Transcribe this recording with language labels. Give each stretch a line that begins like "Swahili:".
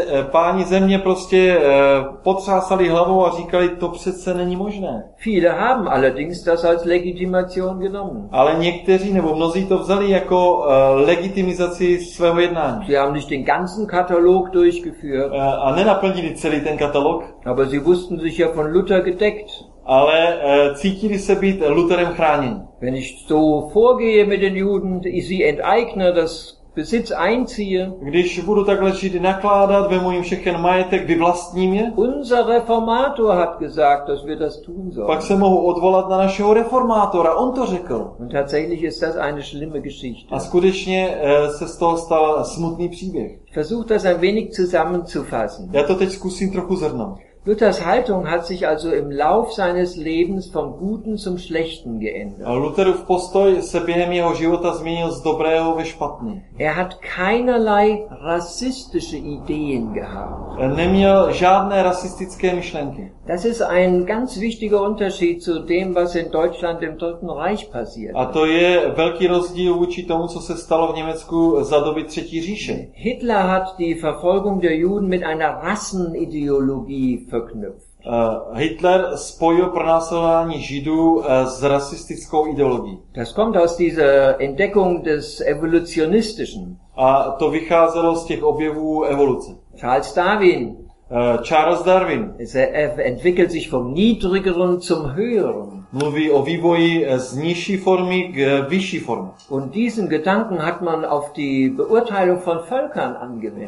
Czech: Páni země prostě potřásali hlavou a říkali, to přece není možné.
German: Viele haben allerdings das als Legitimation genommen.
Czech: Ale někteří nebo mnozí to vzali jako legitimaci svého jednání.
German: Sie haben nicht den ganzen Katalog durchgeführt.
Czech: A nenaplnili celý ten katalog.
German: Aber sie wussten sich ja von Luther gedeckt.
Czech: Ale cítili se být Lutherem chráněni.
German: Wenn ich so vorgehe mit den Juden, sie enteigne das Besitz einziehe.
Czech: Když budu takhle Židy nakládat, vemu jim všechen majetek, vyvlastním je.
German: Unser Reformator hat gesagt, dass wir das tun sollen.
Czech: Pak se mohu odvolat na našeho reformátora, on to řekl.
German: Und tatsächlich ist das eine schlimme Geschichte.
Czech: A skutečně se z toho stal smutný příběh.
German: Versuch das ein wenig zusammenzufassen.
Czech: Já to teď zkusím trochu zhrnout.
German: Luthers Haltung hat sich also im Lauf seines Lebens vom Guten zum Schlechten geändert.
Czech: Lutherův postoj se během jeho života změnil z dobrého ve špatný.
German: Er hat keinerlei rassistische Ideen gehabt.
Czech: Neměl žádné rasistické myšlenky.
German: Das ist ein ganz wichtiger Unterschied zu dem, was in Deutschland im Dritten Reich passiert.
Czech: A to je velký rozdíl vůči tomu, co se stalo v Německu za doby Třetí říše.
German: Hitler hat die Verfolgung der Juden mit einer Rassenideologie verknüpft.
Czech: Hitler spojil pronásledování Židů s rasistickou ideologií.
German: Das kommt aus dieser Entdeckung des Evolutionistischen.
Czech: A to vycházelo z těch objevů evoluce.
German: Charles Darwin.
Czech: Charles Darwin.
German: Er entwickelt sich vom niedrigeren zum höheren.
Czech: Mluví o vývoji z nižší formy k vyšší formě.
German: Und diesen Gedanken hat man auf die Beurteilung von Völkern angewendet.